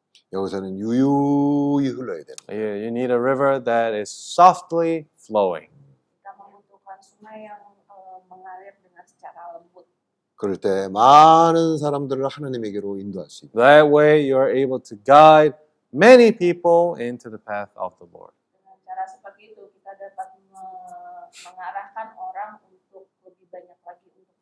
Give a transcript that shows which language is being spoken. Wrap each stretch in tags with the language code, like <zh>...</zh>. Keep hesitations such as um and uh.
<ko>여기서는 유유히 흘러야 돼.</ko> <en>Yeah, you need a river that is softly flowing.</en> <ko>그러니까 그럴 때 많은 사람들을 하나님에게로 인도할 수 있다.</ko> <en>That way you are able to guide many people into the path of the Lord.</en> <ko>쉽게</ko> <id>seperti itu kita dapat mengarahkan orang untuk lebih banyak lagi</id>